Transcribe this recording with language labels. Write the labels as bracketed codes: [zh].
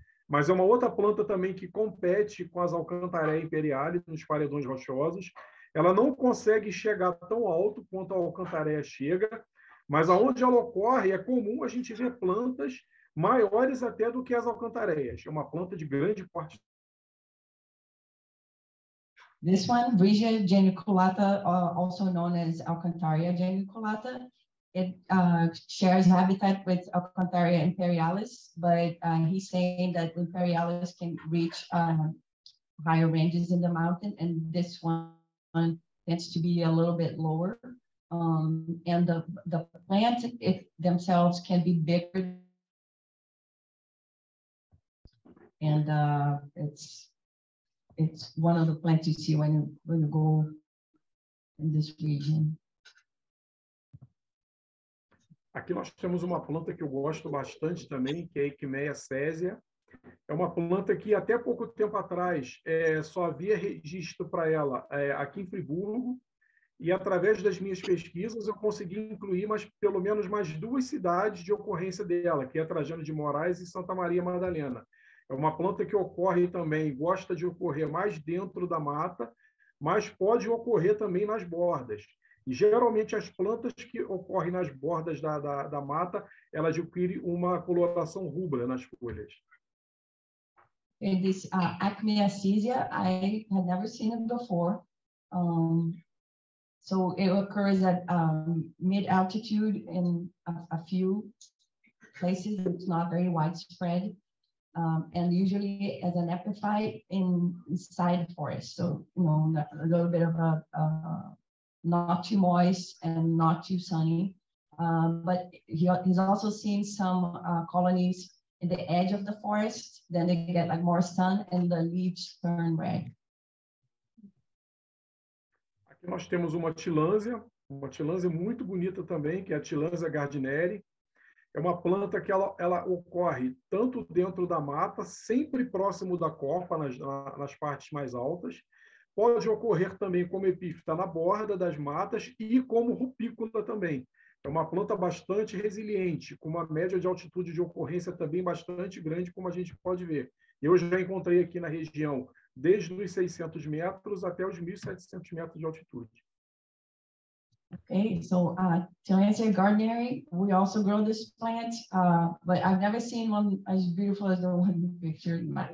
[pt] Mas é uma outra planta também que compete com as alcantareia imperialis nos paredões rochosos. Ela não consegue chegar tão alto quanto a alcantareia chega, mas aonde ela ocorre é comum a gente ver plantas maiores até do que as alcantareias. É uma planta de grande porte. [en] This one, Vrisia geniculata, also known as Alcantarea geniculata, it shares habitat with Alcantarea imperialis, but he's saying that imperialis can reach higher ranges in the mountain, and this one tends to be a little bit lower. And the plants themselves can be bigger. And it's one of the plants you see when you go in this region. [pt] Aqui nós temos uma planta que eu gosto bastante também, que é a Ikimea césia. É uma planta que até pouco tempo atrás só havia registro para ela aqui em Friburgo. E através das minhas pesquisas eu consegui incluir pelo menos mais duas cidades de ocorrência dela, que é Trajano de Moraes e Santa Maria Madalena. É uma planta que ocorre também, gosta de ocorrer mais dentro da mata, mas pode ocorrer também nas bordas. E geralmente as plantas que ocorrem nas bordas da mata, ela adquire uma coloração rubra nas folhas. [en] In this Acmea cesia, I had never seen it before. So it occurs at mid-altitude in a few places. It's not very widespread. And usually as an epiphyte inside the forest. So, you know, a little bit of a not too moist and not too sunny. But he's also seen some colonies in the edge of the forest. Then they get like more sun and the leaves turn red. [pt] Aqui nós temos uma tilânsia muito bonita também, que é a tilânsia gardineri. É uma planta que ela ocorre tanto dentro da mata, sempre próximo da copa, nas partes mais altas. Pode ocorrer também como epífita na borda das matas e como rupícola também. É uma planta bastante resiliente, com uma média de altitude de ocorrência também bastante grande, como a gente pode ver. Eu já encontrei aqui na região, desde os 600 metros até os 1.700 metros de altitude. [en] Okay, so Tillandsia gardneri, we also grow this plant, but I've never seen one as beautiful as the one you pictured.